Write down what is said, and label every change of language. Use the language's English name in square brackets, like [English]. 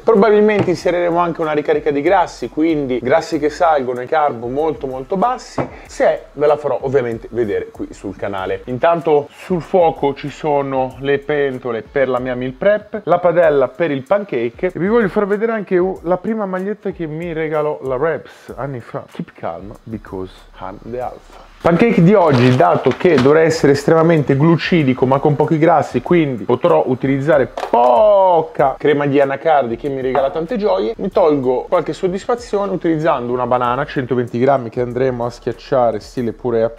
[Italian] Probabilmente inseriremo anche una ricarica di grassi, quindi grassi che salgono e carbo molto molto bassi. Se ve la farò ovviamente vedere qui sul canale. Intanto sul fuoco ci sono le pentole per la mia meal prep, la padella per il pancake, e vi voglio far vedere anche la prima maglietta che mi regalò la Reps anni fa. [English] Keep calm because I'm the alpha. [Italian] Pancake di oggi, dato che dovrà essere estremamente glucidico ma con pochi grassi, quindi potrò utilizzare poca crema di anacardi che mi regala tante gioie, mi tolgo qualche soddisfazione utilizzando una banana 120 grammi che andremo a schiacciare stile purea.